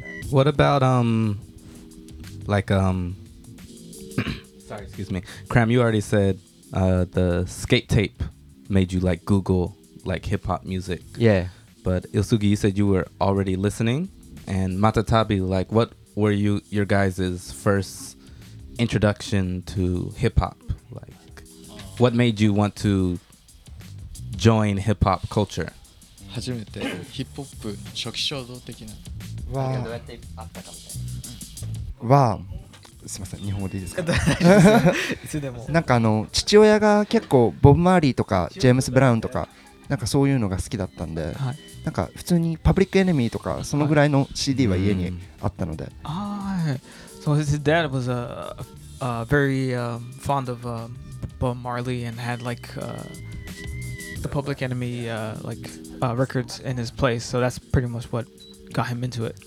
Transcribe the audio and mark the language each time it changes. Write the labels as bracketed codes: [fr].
[en] What about Cram, you already said the skate tape made you like Google like hip hop music. Yeah. But Ilsugi, you said you were already listening, and Matatabi, like what? Were you your guys' first introduction to hip hop? Like, what made you want to join hip hop culture? [ja] 初めてヒップホップ初期衝動的な。わあ。わあ。すみません、日本語でいいですか？大丈夫ですよ。なんかあの父親が結構ボブマーリーとかジェームスブラウンとかなんかそういうのが好きだったんで。はい。なんか普通にパブリックエネミーとかそのぐらいの CD は家にあったので。はい。 [en] So his dad was very fond of Bob Marley and had like the Public Enemy like records in his place. So that's pretty much what got him into it.